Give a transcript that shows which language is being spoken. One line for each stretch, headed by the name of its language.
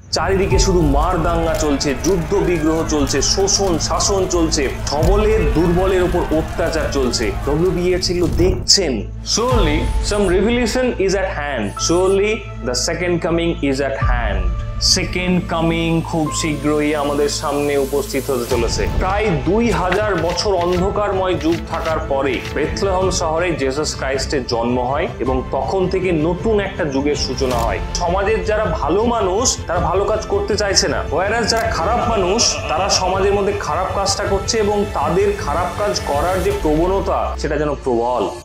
Bangla: চারিদিকে শুধু মার দাঙ্গা চলছে, যুদ্ধ বিগ্রহ চলছে, শোষণ শাসন চলছে, সবলের দুর্বলের উপর অত্যাচার চলছে।
English: WBA
Bangla: ছিল দেখছেন,
English: surely some revolution is at hand, surely the second coming is at hand.
Bangla: Second coming খুব শীঘ্রই আমাদের সামনে উপস্থিত হতে চলেছে। প্রায় 2000 বছর অন্ধকারময় যুগ থাকার পরে বেথলেহেম শহরে জেসাস ক্রাইস্টের জন্ম হয় এবং তখন থেকে নতুন একটা যুগের সূচনা হয়। সমাজের যারা ভালো মানুষ তারা ভালো কাজ করতে চাইছে না, হোয়ারাস যারা খারাপ মানুষ তারা সমাজের মধ্যে খারাপ কাজটা করছে এবং তাদের খারাপ কাজ করার যে প্রবণতা সেটা যেন প্রবল।